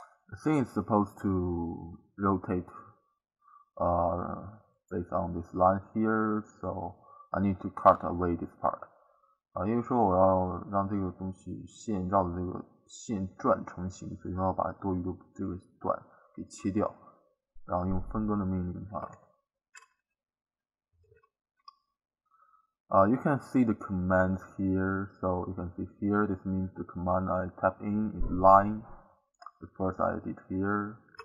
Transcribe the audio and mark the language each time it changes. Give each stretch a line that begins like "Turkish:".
English: The thing is supposed to rotate, based on this line here, so I need to cut away this part.
Chinese: 因为说我要让这个东西线绕的这个线转成型，所以说要把多余的这个段给切掉，然后用分割的命令的话。
English: You can see the commands here, so you can see here, this means the command I tap in is line. The first I did here.